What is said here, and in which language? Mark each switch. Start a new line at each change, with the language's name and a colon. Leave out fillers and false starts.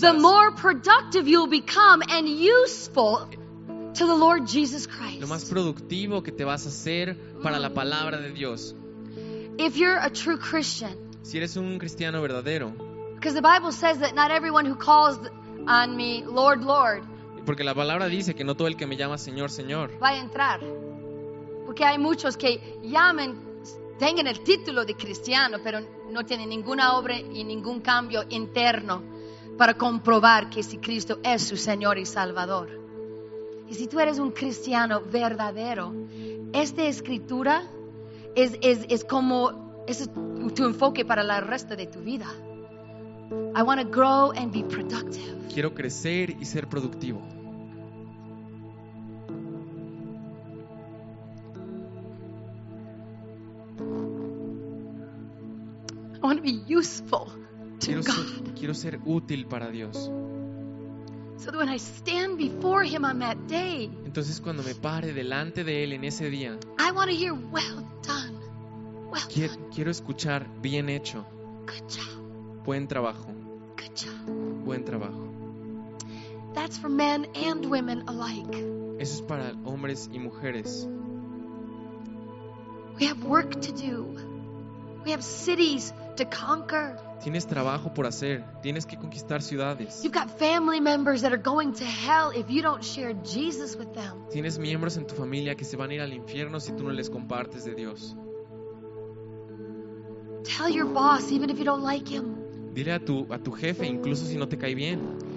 English: the more productive you'll become and useful to the Lord Jesus Christ.
Spanish: Lo más productivo que te vas a hacer para la palabra de Dios.
English: If you're a true Christian,
Spanish: si eres un cristiano verdadero.
English: Because the Bible says that not everyone who calls on me, Lord, Lord.
Spanish: Porque la palabra dice que no todo el que me llama Señor, Señor. Va a entrar. Porque hay muchos que llaman, tengan el título de cristiano, pero no tienen ninguna obra y ningún cambio interno para comprobar que si Cristo es su Señor y Salvador. Y si tú eres un cristiano verdadero, esta escritura es como... ese es tu enfoque para el resto de tu vida.
English: I want to grow and be productive.
Spanish: Quiero crecer y ser productivo.
English: I want to be useful to God.
Spanish: Quiero ser útil para Dios.
English: So that when I stand before Him on that day,
Spanish: entonces cuando me pare delante de Él en ese día,
English: I want to hear, well done.
Spanish: Quiero escuchar, bien hecho.
English: Good job.
Spanish: Buen trabajo.
English: Good job.
Spanish: Buen trabajo.
English: That's for men and women alike.
Spanish: Eso es para hombres y mujeres.
English: We have work to do. We have cities to conquer.
Spanish: Tienes trabajo por hacer. Tienes que conquistar ciudades.
English: You've got family members that are going to hell if you don't share Jesus with them.
Spanish: Tienes miembros en tu familia que se van a ir al infierno si tú no les compartes de Dios.
English: Tell your boss even if you don't like him.
Spanish: Dile a tu jefe incluso si no te cae bien.